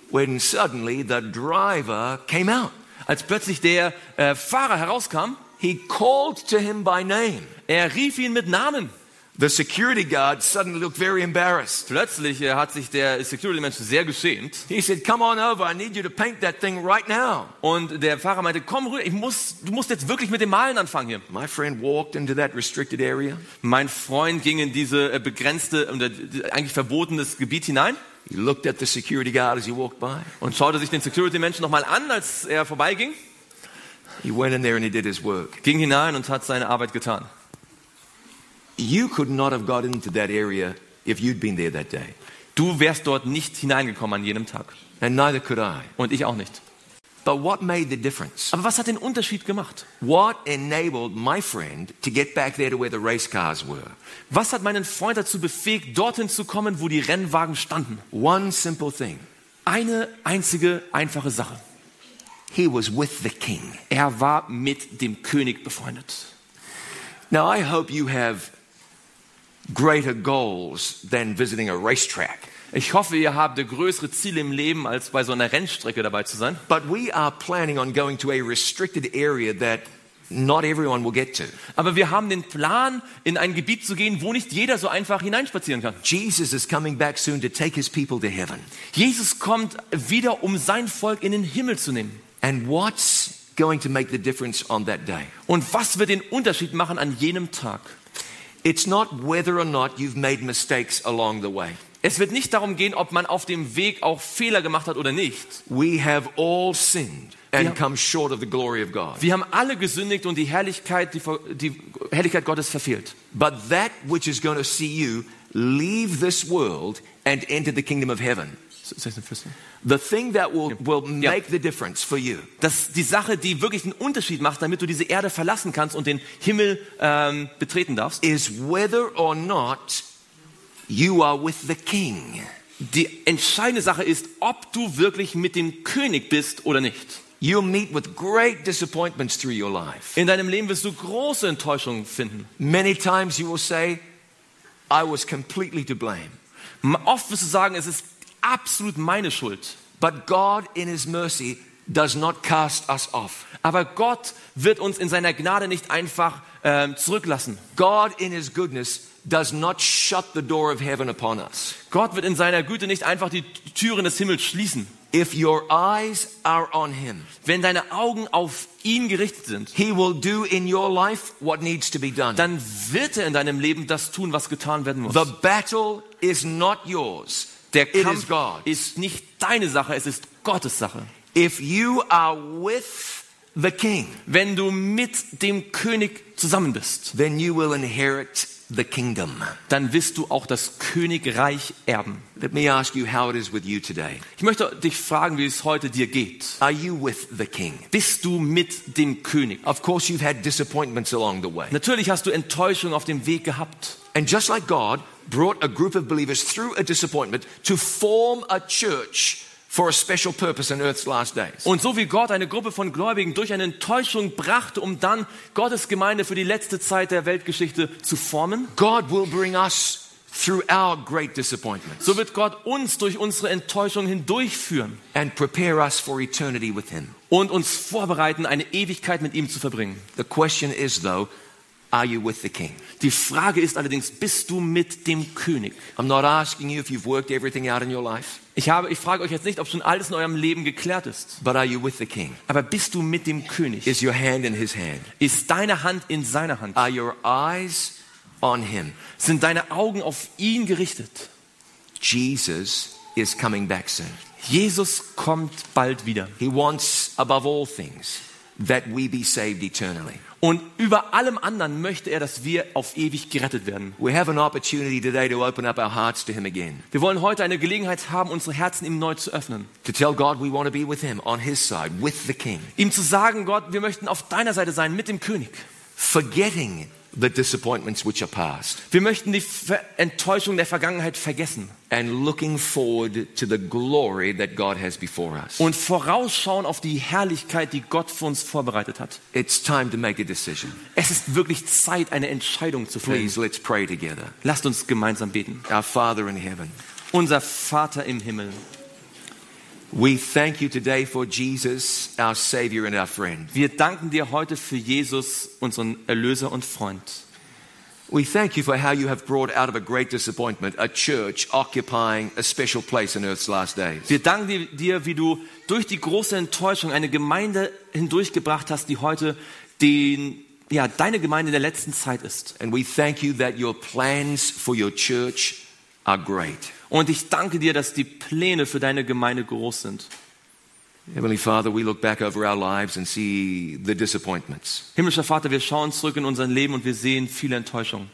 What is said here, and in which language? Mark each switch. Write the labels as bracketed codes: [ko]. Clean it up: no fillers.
[en] When suddenly the driver came out. [de] Als plötzlich der Fahrer herauskam. [en] He called to him by name. [de] Er rief ihn mit Namen. [en] The security guard suddenly looked very embarrassed. [de] Plötzlich hat sich der Security-Mensch sehr geschämt. [en] He said, "Come on over. I need you to paint that thing right now." [de] Und der Fahrer meinte, komm rüber, du musst jetzt wirklich mit dem Malen anfangen hier. [en] My friend walked into that restricted area. [de] Mein Freund ging in diese begrenzte und eigentlich verbotenes Gebiet hinein. [en] He looked at the security guard as he walked by. [de] Und schaute sich den Security-Menschen nochmal an, als er vorbeiging. [en] He went in there and he did his work. [de] Ging hinein und hat seine Arbeit getan. [en] You could not have got into that area if you'd been there that day. [de] Du wärst dort nicht hineingekommen an jenem Tag. [en] And neither could I. [de] Und ich auch nicht. [en] But what made the difference? [de] Aber was hat den Unterschied gemacht? [en] What enabled my friend to get back there to where the race cars were? [de] Was hat meinen Freund dazu befähigt, dorthin zu kommen, wo die Rennwagen standen? [en] One simple thing. [de] Eine einzige einfache Sache. [en] He was with the king. [de] Er war mit dem König befreundet. [en] Now I hope you have greater goals than visiting a racetrack. [de] Ich hoffe, ihr habt größere Ziele im Leben als bei so einer Rennstrecke dabei zu sein. [en] But we are planning on going to a restricted area that not everyone will get to. [de] Aber wir haben den Plan, in ein Gebiet zu gehen, wo nicht jeder so einfach hineinspazieren kann. [en] Jesus is coming back soon to take his people to heaven. [de] Jesus kommt wieder, um sein Volk in den Himmel zu nehmen. [en] And what's going to make the difference on that day? [de] Und was wird den Unterschied machen an jenem Tag? [en] It's not whether or not you've made mistakes along the way. [de] Es wird nicht darum gehen, ob man auf dem Weg auch Fehler gemacht hat oder nicht. [en] We have all sinned and come short of the glory of God. [de] Wir haben alle gesündigt und die Herrlichkeit Gottes verfehlt. [en] But that which is going to see you leave this world and enter the kingdom of heaven. The thing that will make the difference for you. [de] Das die Sache, die wirklich einen Unterschied macht, damit du diese Erde verlassen kannst und den Himmel betreten darfst. [en] Is whether or not you are with the king. [de] Die entscheidende Sache ist, ob du wirklich mit dem König bist oder nicht. [en] You'll meet with great disappointments through your life. [de] In deinem Leben wirst du große Enttäuschungen finden. [en] Many times you will say, I was completely to blame. [de] Oft wirst du sagen, es ist absolut meine Schuld. [en] But God in his mercy does not cast us off. [de] Aber Gott wird uns in seiner Gnade nicht einfach zurücklassen. [en] God in his goodness does not shut the door of heaven upon us. [de] Gott wird in seiner Güte nicht einfach die Türen des Himmels schließen. [en] If your eyes are on him, [de] wenn deine Augen auf ihn gerichtet sind, [en] he will do in your life what needs to be done. [de] Dann wird er in deinem Leben das tun, was getan werden muss. [en] The battle is not yours. [de] Der Kampf ist nicht deine Sache, es ist Gottes Sache. [en] If you are with the king, [de] wenn du mit dem König zusammen bist, [en] then you will inherit the kingdom. [de] Dann wirst du auch das Königreich erben. [en] Let me ask you how it is with you today. [de] Ich möchte dich fragen, wie es heute dir geht. [en] Are you with the king? [de] Bist du mit dem König? [en] Of course you've had disappointments along the way. [de] Natürlich hast du Enttäuschungen auf dem Weg gehabt. [en] And just like God brought a group of believers through a disappointment to form a church for a special purpose in Earth's last days. [de] Und so wie Gott eine Gruppe von Gläubigen durch eine Enttäuschung brachte, um dann Gottes Gemeinde für die letzte Zeit der Weltgeschichte zu formen, [en] God will bring us through our great disappointments. [de] So wird Gott uns durch unsere Enttäuschung hindurchführen [en] and prepare us for eternity with him. [de] Und uns vorbereiten, eine Ewigkeit mit ihm zu verbringen. [en] The question is though, are you with the king? [de] Die Frage ist allerdings, bist du mit dem König? [en] I'm not asking you if you've worked everything out in your life. [de] Ich frage euch jetzt nicht, ob schon alles in eurem Leben geklärt ist. [en] But are you with the king? [de] Aber bist du mit dem König? [en] Is your hand in his hand? [de] Ist deine Hand in seiner Hand? [en] Are your eyes on him? [de] Sind deine Augen auf ihn gerichtet? [en] Jesus is coming back soon. [de] Jesus kommt bald wieder. [en] He wants above all things that we be saved eternally. [de] Und über allem anderen möchte er, dass wir auf ewig gerettet werden. [en] We have an opportunity today to open up our hearts to him again. [de] Wir wollen heute eine Gelegenheit haben, unsere Herzen ihm neu zu öffnen. [en] To tell God we want to be with him on his side with the king. [de] Ihm zu sagen, Gott, wir möchten auf deiner Seite sein mit dem König. [en] Forgetting the disappointments which are past. [de] Wir möchten die Enttäuschung der Vergangenheit vergessen. [en] And looking forward to the glory that God has before us. [de] Und vorausschauen auf die Herrlichkeit, die Gott für uns vorbereitet hat. [en] It's time to make a decision. [de] Es ist wirklich Zeit, eine Entscheidung zu treffen. [en] Please, let's pray together. [de] Lasst uns gemeinsam beten. [en] Our Father in heaven. [de] Unser Vater im Himmel. [en] We thank you today for Jesus, our Savior and our friend. [de] Wir danken dir heute für Jesus, unseren Erlöser und Freund. [en] We thank you for how you have brought out of a great disappointment a church occupying a special place in Earth's last days. [de] Wir danken dir, wie du durch die große Enttäuschung eine Gemeinde hindurchgebracht hast, die heute deine Gemeinde in der letzten Zeit ist. [en] And we thank you that your plans for your church are great. [de] Und ich danke dir, dass die Pläne für deine Gemeinde groß sind. [en] Heavenly Father, we look back over our lives and see the disappointments. [de] Himmlischer Vater, wir schauen zurück in unser Leben und wir sehen viele Enttäuschungen.